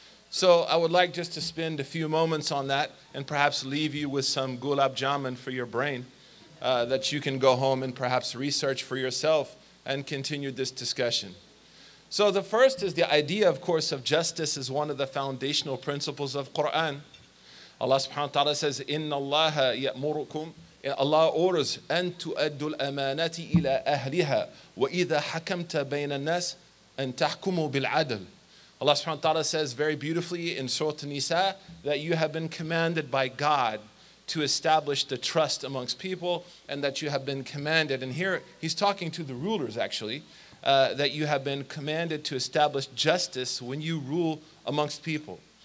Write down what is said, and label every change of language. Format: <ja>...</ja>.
<en>So I would like just to spend a few moments on that and perhaps leave you with some gulab jamun for your brain that you can go home and perhaps research for yourself and continue this discussion. So the first is the idea, of course, of justice is one of the foundational principles of Quran. Allah subhanahu wa ta'ala says,</en> <ar>Inna Allaha ya'murukum,</ar> <en>Allah orders,</en> <ar>أن تؤدوا الأمانة إلى أهلها وإذا حكمت بين الناس أن تحكموا بالعدل.</ar> <en>Allah subhanahu wa ta'ala says very beautifully in Surah An-Nisa that you have been commanded by God to establish the trust amongst people and that you have been commanded, and here he's talking to the rulers actually, that you have been commanded to establish justice when you rule amongst people.</en>